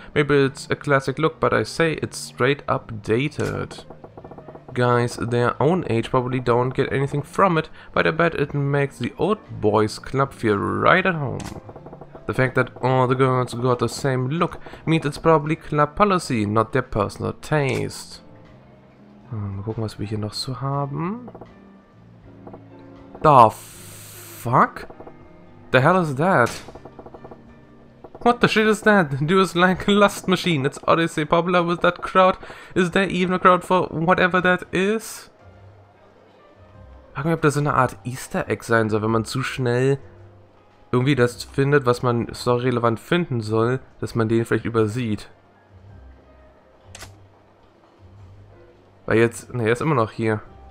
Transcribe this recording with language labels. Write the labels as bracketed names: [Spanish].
[English] Maybe it's a classic look, but I say it's straight up dated. Guys their own age probably don't get anything from it, but I bet it makes the old boys club feel right at home. The fact that all the girls got the same look means it's probably club policy, not their personal taste. [German] Mal gucken, was wir hier noch so haben. [English] The fuck? The hell is that? What the shit is that? Do us like a lust machine. It's Odyssey popular with that crowd. Is there even a crowd for whatever that is? [German] Frag mich, ob das so eine Art Easter Egg sein soll, wenn man zu schnell irgendwie das findet, was man story-relevant finden soll, dass man den vielleicht übersieht. Weil jetzt, ne, er ist immer noch hier.